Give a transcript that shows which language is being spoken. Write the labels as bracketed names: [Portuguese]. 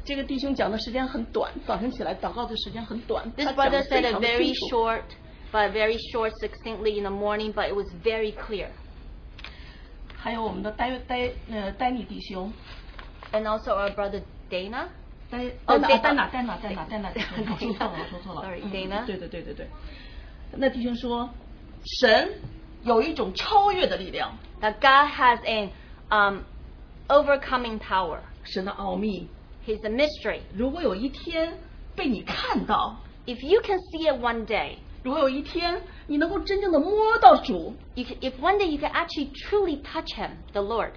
[Chinese] 这个弟兄讲的时间很短, 早晨起来祷告的时间很短, [English] this brother said it very short, but very short succinctly in the morning, but it was very clear. [Chinese] 还有我们的丹尼弟兄, [English] and also our brother Dana. Dana. [Chinese] 那弟兄说神, 有一种超越的力量, [English] that God has an overcoming power. [Chinese] 神的奥秘, [English] he's a mystery. [Chinese] 如果有一天被你看到, [English] if you can see it one day, [Chinese] 如果有一天你能够真正的摸到主, [English] if one day you can actually truly touch him, the Lord,